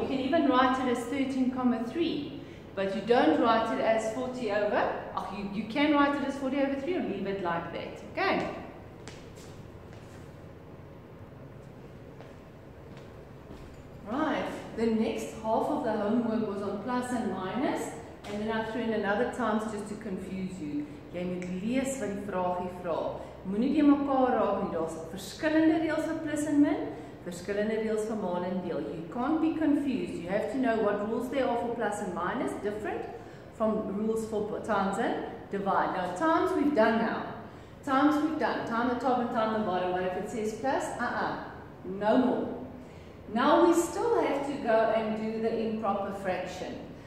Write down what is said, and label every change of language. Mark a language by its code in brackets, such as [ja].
[en] You can even write it as 13.3, but you don't write it as 40 over, you can write it as 40 over 3 or leave it like that, okay? Right, the next half of the homework was on plus and minus, and then I threw in another times just to confuse you. [af] Jy moet lees wat die vraag hier vra. Moenie die mekaar raak nie, daar's verskillende reëls vir plus en min, verskillende reëls vir maal en deel. [en] You can't be confused. You have to know what rules there are for plus and minus, different from rules for times and divide. Now, times we've done now. Times we've done. Time the top and time the bottom. But if it says plus, no more. Now we still have to go and do the improper fraction.